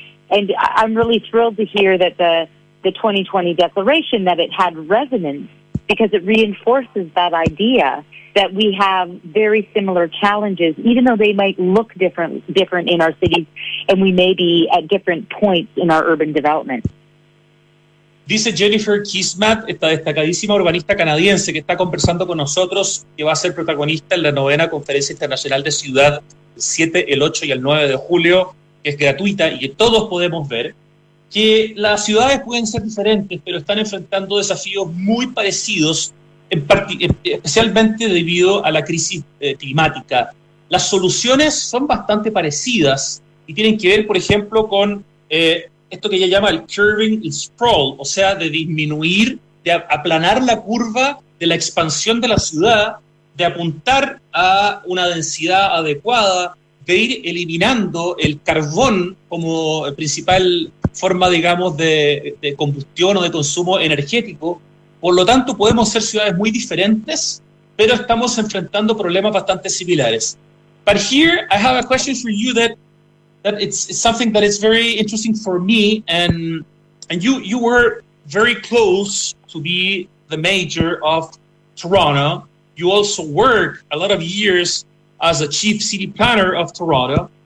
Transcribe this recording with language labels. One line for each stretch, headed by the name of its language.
English: And I'm really thrilled to hear that the 2020 declaration, that it had resonance, because it reinforces that idea that we have very similar challenges, even though they might look different in our cities, and we may be at different points in our urban development.
Spanish: Dice Jennifer Kismat, esta destacadísima urbanista canadiense que está conversando con nosotros, que va a ser protagonista en la novena Conferencia Internacional de Ciudad, el 7, el 8 y el 9 de julio, que es gratuita y que todos podemos ver, que las ciudades pueden ser diferentes, pero están enfrentando desafíos muy parecidos, especialmente debido a la crisis climática. Las soluciones son bastante parecidas y tienen que ver, por ejemplo, con esto que ella llama el
English: curving and sprawl,
Spanish: o sea, de disminuir, de aplanar la curva de la expansión de la ciudad, de apuntar a una densidad adecuada, de ir eliminando el carbón como principal forma, digamos, de combustión o de consumo energético. Por lo tanto, podemos ser ciudades muy diferentes, pero estamos enfrentando problemas bastante similares.
English: But here, I have a question for you that it's something that is very interesting for me, and you were very close to be the mayor of Toronto. You also work a lot of years as a chief city planner of Toronto.